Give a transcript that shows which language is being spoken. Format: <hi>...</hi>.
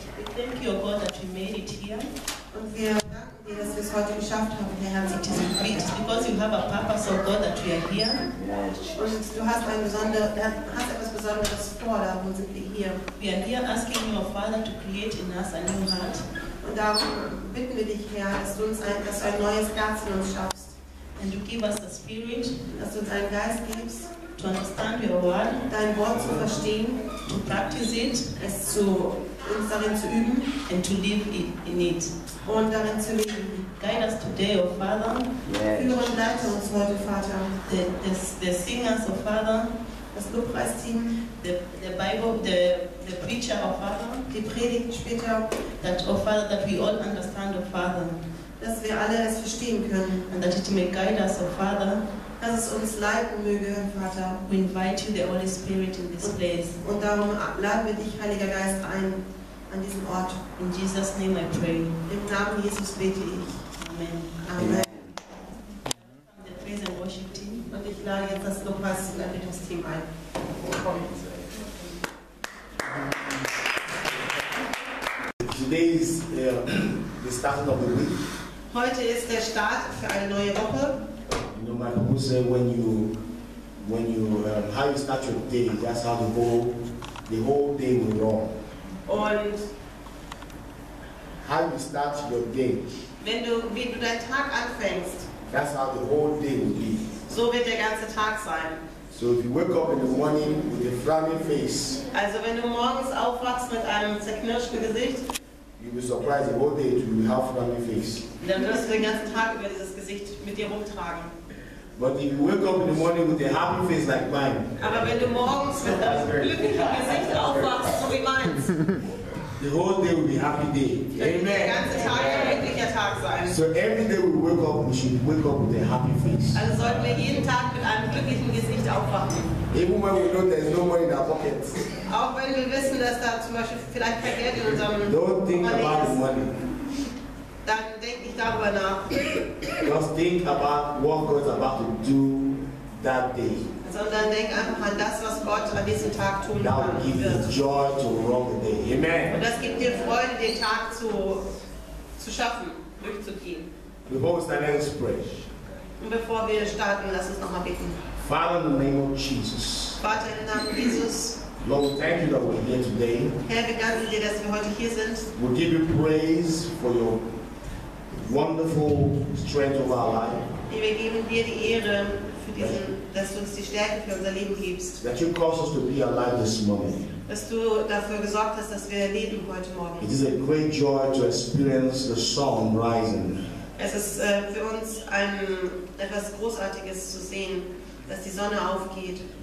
<en>We thank you, God, that you made it here.</en> <de>Und wir danken dir, dass wir es heute geschafft haben, Herr.</de> <en>It is great because you have a purpose, oh God, that we are here.</en> <de>Und du hast ein hast etwas Besonderes vor, darum sind wir hier.</de> <en>We are here asking you, oh Father, to create in us a new heart.</en> <de>Und darum bitten wir dich, Herr, dass du ein neues Herz in uns schaffst.</de> <en>And you give us a spirit.</en> <de>Dass du uns einen Geist gibst.</de> <en>To understand your word.</en> <de>Dein Wort zu verstehen.</de> <en>To practice it.</en> <de>Es zu uns darin zu üben.</de> <en>And to live in it.</en> <de>Und darin zu leben.</de> <en>Guide us today, O Father.</en> <de>Führe und leite uns heute, Vater.</de> <en>The singers, O Father.</en> <de>Das Lobpreisteam.</de> <en>The Bible, the preacher, O Father.</en> <de>Die Predigt später.</de> <en>That, O Father, that we all understand, O Father.</en> <de>Dass wir alle es verstehen können.</de> <en>And that it may guide us, O Father.</en> <de>Dass es uns leiten möge, Vater.</de> <en>We invite you, the Holy Spirit, in this place.</en> <de>Und darum laden wir dich, Heiliger Geist, ein. An diesem Ort.</de> <en>In Jesus' name I pray.</en> <de>Im Namen Jesus bete ich.</de> <en>Amen.</en> <de>Amen.</de> <en>The praise and worship team.</en> <de>Und ich lade jetzt das Lobpreis und Anbetungsteam ein.</de> <en>Today is the start of the week.</en> <de>Heute ist der Start für eine neue Woche.</de> <en>You know, my people say when you how you start your day, that's how the whole day will run.</en> <de>Und</de> <en>how you start your day.</en> <de>Wie du deinen Tag anfängst.</de> <en>That's how the whole day will be.</en> <de>So wird der ganze Tag sein.</de> <en>So if you wake up in the morning with a frowning face.</en> <de>Also wenn du morgens aufwachst mit einem zerknirschten Gesicht.</de> <en>You'll be surprised the whole day to have a frowning face.</en> <de>Dann wirst du den ganzen Tag über dieses Gesicht mit dir rumtragen.</de> <en>But if you wake up in the morning with a happy face like mine.</en> <de>Aber wenn du morgens mit einem glücklichen Gesicht aufwachst, so wie meins.</de> <en>The whole day will be a happy day. Amen.</en> <de>Der ganze Tag wird ein glücklicher Tag sein.</de> <en>So every day we should wake up with a happy face.</en> <de>Also sollten wir jeden Tag mit einem glücklichen Gesicht aufwachen.</de> <en>Even when we know there's no money in our pockets.</en> <de>Auch wenn wir wissen, dass da zum Beispiel vielleicht kein Geld in unserem Portemonnaie ist.</de> <en>Don't think about the money.</en> <de>Dann denk nicht darüber nach.</de> <en>Just think about what God's about to do that day.</en> <de>Sondern denk einfach an das, was Gott an diesem Tag tun wird.</de> <en>That will give you joy to run the day. Amen.</en> <de>Und das gibt dir Freude, den Tag zu schaffen, durchzugehen.</de> <en>Before we start, let us pray.</en> <de>Und bevor wir starten, lass uns nochmal beten.</de> <en>Father, in the name of Jesus.</en> <de>Vater, im Namen Jesus.</de> <en>Lord, thank you that we're here today.</en> <de>Herr, wir danken dir, dass wir heute hier sind.</de> <en>We give you praise for your wonderful strength of our life.</en> <de>Wir geben dir die Ehre für diesen, dass du uns die Stärke für unser Leben gibst.</de> <en>That you caused us to be alive this morning.</en> <de>Dass du dafür gesorgt hast, dass wir leben heute Morgen.</de> <en>It is a great joy to experience the sun rising.</en> <de>Es ist für uns etwas Großartiges zu sehen, dass die Sonne aufgeht.</de>